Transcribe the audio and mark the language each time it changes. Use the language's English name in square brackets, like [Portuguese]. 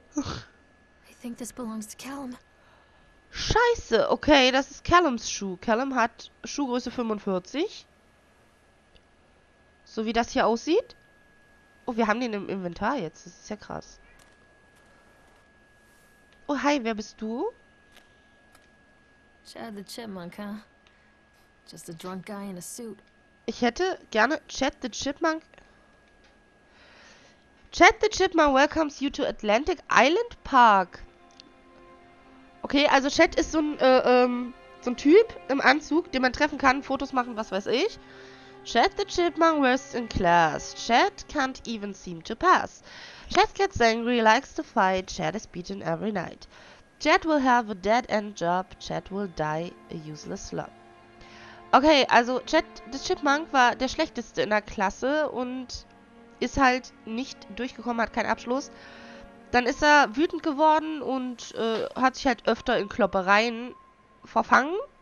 [English] I think this belongs to Callum. [German] Scheiße, okay, das ist Callums Schuh. Callum hat Schuhgröße 45. So wie das hier aussieht. Oh, wir haben den im Inventar jetzt. Das ist ja krass. Oh, hi, wer bist du? [English] Chad the Chipmunk, huh? Just a drunk guy in a suit. [German] Ich hätte gerne Chad the Chipmunk. [English] Chad the Chipmunk welcomes you to Atlantic Island Park. [German] Okay, also Chad ist so ein Typ im Anzug, den man treffen kann, Fotos machen, was weiß ich. [English] Chad the Chipmunk was in class. Chad can't even seem to pass. Chad gets angry, likes to fight. Chad is beaten every night. Chad will have a dead-end job. Chad will die a useless slob. [German] Okay, also Chad the Chipmunk war der Schlechteste in der Klasse und ist halt nicht durchgekommen, hat keinen Abschluss. Dann ist er wütend geworden und hat sich halt öfter in Kloppereien verfangen.